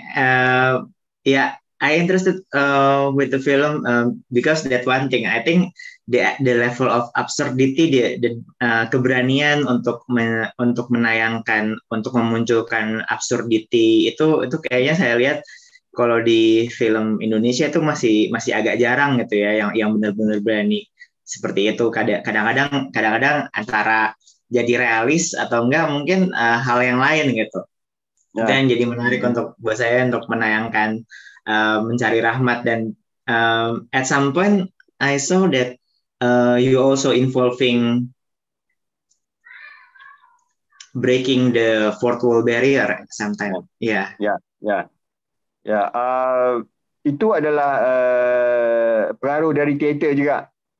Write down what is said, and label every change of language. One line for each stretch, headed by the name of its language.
English: I interested with the film because that one thing. I think the level of absurdity,
Indonesian: keberanian untuk menayangkan, untuk memunculkan absurdity itu kayaknya saya lihat kalau di film Indonesia itu masih masih agak jarang gitu ya, yang benar-benar berani seperti itu. Kadang-kadang antara jadi realis atau enggak, mungkin hal yang lain gitu. Ya. Itu yang jadi menarik untuk buat saya untuk menayangkan Mencari Rahmat.
English: Dan at some point I saw that you also involving breaking the fourth wall barrier sometime. Yeah.
Indonesian: Ya, ya. Ya, itu adalah pengaruh dari teater juga.